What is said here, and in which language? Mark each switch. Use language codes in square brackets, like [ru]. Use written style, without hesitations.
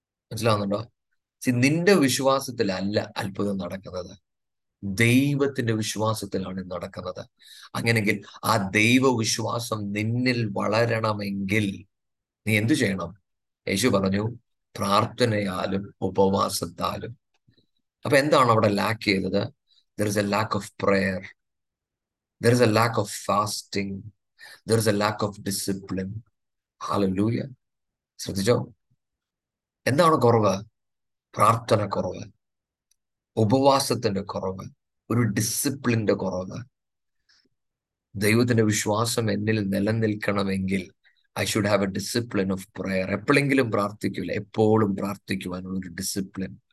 [ml] മനസ്സിലാവുന്നുണ്ടോ? നിന്റെ വിശ്വാസത്തിലല്ല അത്ഭുതം നടക്കുന്നത്, ദൈവത്തിന്റെ വിശ്വാസത്തിലാണ് നടക്കുന്നത്. അങ്ങനെങ്കിൽ ആ ദൈവവിശ്വാസം നിന്നിൽ വളരണമെങ്കിൽ നീ എന്തു ചെയ്യണം? യേശു പറഞ്ഞു, പ്രാർത്ഥനയാലും ഉപവാസത്താലും. അപ്പൊ എന്താണ് അവിടെ ലാക്ക് ചെയ്തത്? [en] There is a lack of prayer. There is a lack of fasting. There is a lack of discipline. [ml] Hallelujah. ശ്രദ്ധിച്ചോ, എന്താണ് കുറവ്? പ്രാർത്ഥന കുറവ്, ഉപവാസത്തിന്റെ കുറവ്, ഒരു ഡിസിപ്ലിന്റെ കുറവ്. ദൈവത്തിന്റെ വിശ്വാസം എന്നിൽ നിലനിൽക്കണമെങ്കിൽ [en] I should have a discipline of prayer. [ml] എപ്പോഴെങ്കിലും പ്രാർത്ഥിക്കില്ല, എപ്പോഴും പ്രാർത്ഥിക്കുവാനുള്ള ഒരു ഡിസിപ്ലിൻ.